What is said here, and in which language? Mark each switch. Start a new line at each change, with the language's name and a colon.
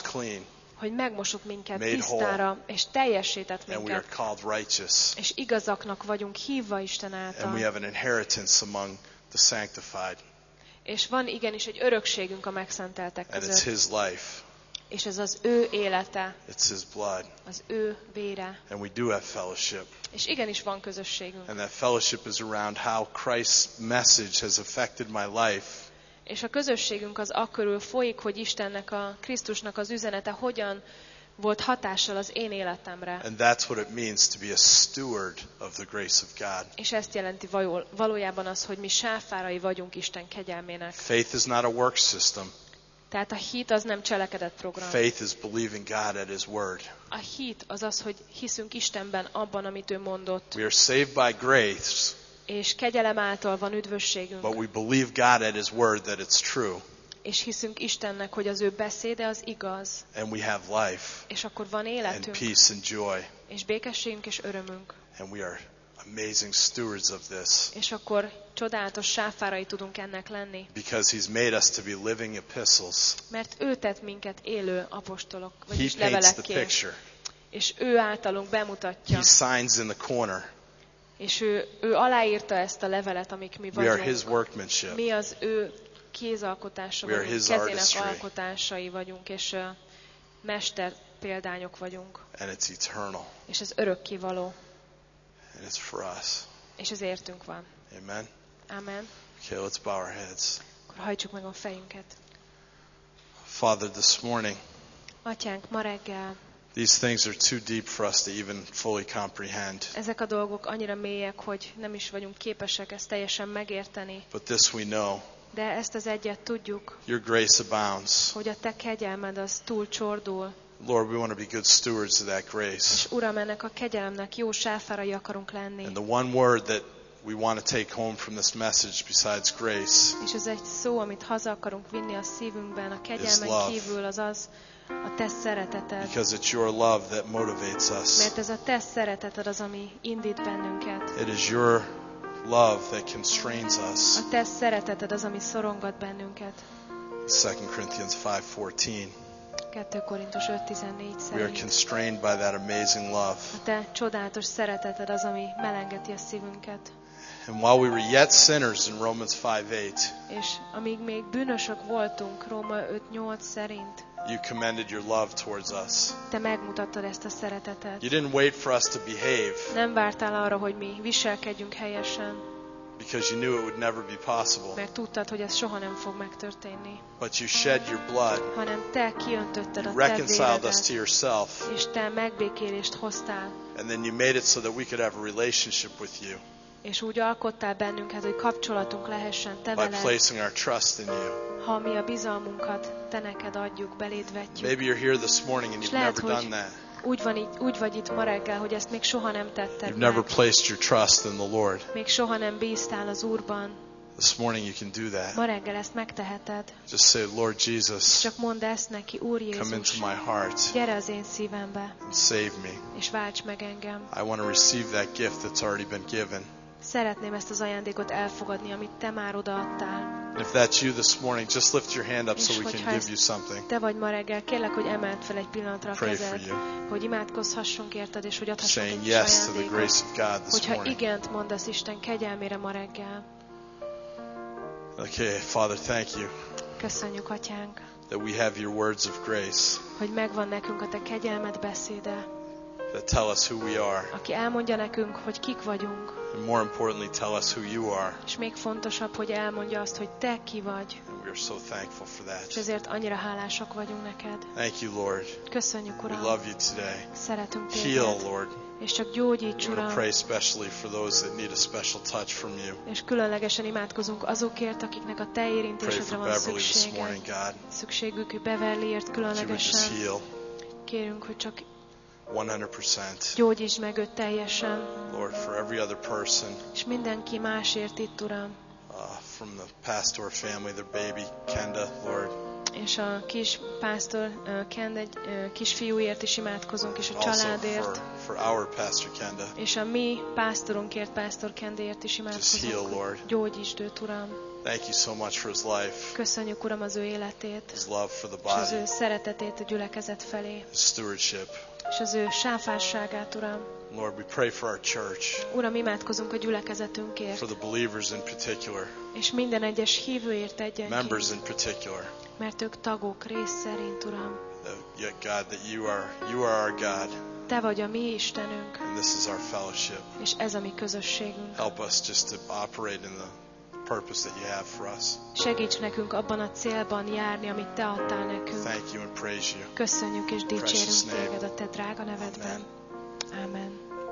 English: Clean,
Hungarian: hogy megmosuk minket tisztára, és teljesített minket.
English: And we are called righteous.
Hungarian: És igazaknak vagyunk hívva Isten által.
English: And we have an inheritance among the sanctified.
Hungarian: És van igenis egy örökségünk a megszenteltek között.
English: And it's his life.
Hungarian: És ez az ő élete.
English: It's his blood.
Hungarian: Az ő vére.
English: And we do have fellowship.
Hungarian: És igenis van közösségünk.
English: And that fellowship is around how Christ's message has affected my life.
Hungarian: És a közösségünk az akkörül folyik, hogy Istennek, a Krisztusnak az üzenete hogyan volt hatással az én életemre.
English: And that's what it means to be a steward of the grace of God.
Hungarian: És ezt jelenti valójában az, hogy mi sáfárai vagyunk Isten kegyelmének.
English: Faith is not a work system.
Hungarian: Tehát a hit az nem cselekedett program.
English: Faith is believing God at his word.
Hungarian: A hit az az, hogy hiszünk Istenben abban, amit ő mondott.
English: We are saved by grace.
Hungarian: És kegyelem által van üdvösségünk.
English: But we believe God at his word that it's true.
Hungarian: És hiszünk Istennek, hogy az ő beszéde az igaz.
English: And we have life.
Hungarian: És akkor van életünk.
English: And peace and joy.
Hungarian: És békességünk és örömünk.
English: And we are amazing stewards of this.
Hungarian: És akkor csodálatos sáfárai tudunk ennek lenni.
English: Because he's made us to be living epistles.
Hungarian: Mert ő tett minket élő apostolok, vagyis he levelekké.
English: Paints the picture.
Hungarian: És ő általunk bemutatja.
English: He signs in the corner.
Hungarian: És ő aláírta ezt a levelet, amik mi vagyunk.
English: We are his workmanship.
Hungarian: Mi az ő kézalkotása, kezének alkotásai vagyunk, és mester példányok vagyunk.
English: And it's eternal.
Hungarian: És ez örökkévaló.
English: And it's for us.
Hungarian: És ez értünk van.
English: Amen.
Hungarian: Amen.
English: Okay, let's bow our heads.
Hungarian: Akkor hajtsuk meg a fejünket.
English: Father, this morning.
Hungarian: Atyánk, ma reggel.
English: These things are too deep for us to even fully comprehend.
Hungarian: Ezek a dolgok annyira mélyek, hogy nem is vagyunk képesek ezt teljesen megérteni.
English: But this we know.
Hungarian: De ezt az egyet tudjuk.
English: Your grace abounds.
Hungarian: Hogy a te kegyelmed az túlcsordul.
English: Lord, we want to be good stewards of that grace.
Hungarian: És Uram, ennek a kegyelemnek jó sáfárai akarunk lenni.
English: And the one word that we want to take home from this message besides grace.
Hungarian: És az egy szó, amit haza akarunk vinni a szívünkben a kegyelmen kívül, az az a te szereteted.
English: Because it's your love that motivates us.
Hungarian: Mert ez a te szereteted az, ami indít bennünket.
English: It is your love that constrains us.
Hungarian: A te szereteted az, ami szorongat bennünket.
English: 2 Corinthians 5:14.
Hungarian: 2 Korintus 5:14 szerint.
English: We are constrained by that amazing love.
Hungarian: A te csodálatos szereteted az, ami melengeti a szívünket.
English: And while we were yet sinners in Romans 5:8.
Hungarian: És amíg még bűnösök voltunk, Róma 5:8 szerint.
English: You commended your love towards us.
Hungarian: Te megmutattad ezt a szeretetet.
English: You didn't wait for us to behave.
Hungarian: Nem vártál arra, hogy mi viselkedjünk helyesen.
English: Because you knew it would never be possible.
Hungarian: Mert tudtad, hogy ez soha nem fog megtörténni.
English: But you shed your blood.
Hungarian: Hanem te kiöntötted a te véredet.
English: Reconciled us to yourself.
Hungarian: És te megbékélést hoztál.
English: And then you made it so that we could have a relationship with you.
Hungarian: És úgy alkottál bennünket, hogy kapcsolatunk lehessen te veled.
English: By placing our trust in you.
Hungarian: Ha mi a bizalmunkat te neked adjuk, beléd vetjük.
English: Maybe you're here this morning and you've never done that.
Hungarian: Úgy vagy itt ma reggel, hogy ezt még soha nem tetted.
English: You've never placed your trust in the Lord.
Hungarian: Még soha nem bíztál az Úrban.
English: This morning you can do that.
Hungarian: Ma reggel ezt megteheted.
English: Just say, Lord Jesus.
Hungarian: Csak mondd ezt neki, Úr Jézus.
English: Come into my heart.
Hungarian: Gyere az én szívembe.
English: And save me.
Hungarian: És válts meg engem.
English: I want to receive that gift that's already been given.
Hungarian: Szeretném ezt az ajándékot elfogadni, amit te már odaadtál.
English: If that's you this morning, just lift your hand up so we can give you something.
Hungarian: Te vagy ma reggel, kérlek, hogy emeld fel egy pillanatra a kezed, hogy imádkozhassunk érted, és hogy adhassunk egy ajándékot.
English: Saying yes to the grace of God this morning.
Hungarian: Hogyha igent mondasz Isten kegyelmére ma reggel.
English: Okay, Father, thank you.
Hungarian: Köszönjük, Atyánk.
English: That we have your words of grace.
Hungarian: Hogy megvan nekünk a te kegyelmed beszéde.
English: That tell us who we are.
Hungarian: Aki elmondja nekünk, hogy kik vagyunk.
English: And more importantly, tell us who you are.
Hungarian: És még fontosabb, hogy elmondja azt, hogy te ki vagy.
English: And we are so thankful for that.
Hungarian: És ezért annyira hálásak vagyunk neked.
English: Thank you, Lord.
Hungarian: Köszönjük, Uram.
English: We love you today.
Hungarian: Szeretünk téged.
English: Heal, Lord.
Hungarian: És csak gyógyíts, Uram.
English: We pray especially for those that need a special touch from you.
Hungarian: És különlegesen imádkozunk azokért, akiknek a te érintésedre van szüksége.
English: Pray for Beverly this morning, God.
Hungarian: Szükségük Beverlyért különlegesen.
English: You would just heal.
Hungarian: kérünk, hogy csak 100%. Gyógyítsd meg őt teljesen.
English: Lord, for every other person.
Hungarian: És mindenki másért itt, Uram.
English: From the pastor family, their baby Kenda, Lord.
Hungarian: És a kis pásztor Kenda egy kis fiúért is imádkozunk, és a családért.
English: Also for our pastor Kenda.
Hungarian: És a mi pásztorunkért, pásztor Kendaért is imádkozunk.
English: Just heal, Lord.
Hungarian: Gyógyítsd őt, Uram.
English: Thank you so much for his life.
Hungarian: Köszönjük, Uram, az ő életét.
English: His love for the body.
Hungarian: És az ő szeretetét a gyülekezet felé.
English: His stewardship.
Hungarian: És az ő sáfárságát, Uram.
English: Lord, we pray for our church.
Hungarian: Uram, imádkozunk a gyülekezetünkért.
English: For the believers in particular.
Hungarian: És minden egyes hívőért egyenként.
English: Members in particular.
Hungarian: Mert ők tagok rész szerint, Uram.
English: Yet God, that you are our God.
Hungarian: Te vagy a mi Istenünk.
English: And this is our fellowship.
Hungarian: És ez a mi közösségünk.
English: Help us just to operate in the purpose that you have for us.
Hungarian: Segíts nekünk abban a célban járni, amit te adtál nekünk.
English: Thank you and praise you.
Hungarian: Köszönjük és dicsérünk téged a te drága nevedben. Amen. Amen.